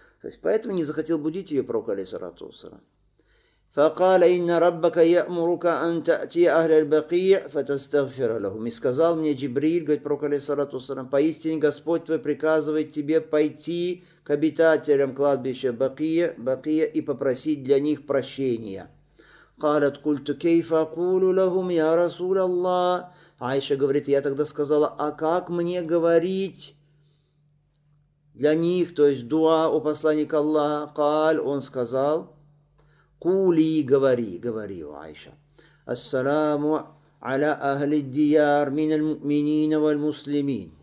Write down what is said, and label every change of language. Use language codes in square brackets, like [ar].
[ru] То есть, поэтому не захотел будить ее пророк, алейхиссалату вассалям. [ar] فقال إن ربك يأمرك أن تأتي أهل البقيع فتستغفر لهم. [ru] И сказал мне Джибриль, говорит пророк, алейхиссалату вассалям, поистине Господь твой приказывает тебе пойти к обитателям кладбища Бакия, Бакия и попросить для них прощения. [ar] قالت قلت كيف أقول لهم يا رسول الله. [ru] Аиша говорит, я тогда сказала, а как мне говорить для них, то есть дуа у посланника Аллаха. [ar] قال, [ru] он сказал, [ar] قولي, [ru] говори, говори, Аиша. [ar] Ассаламу аля ахли дияр миналь муминина валь муслимин.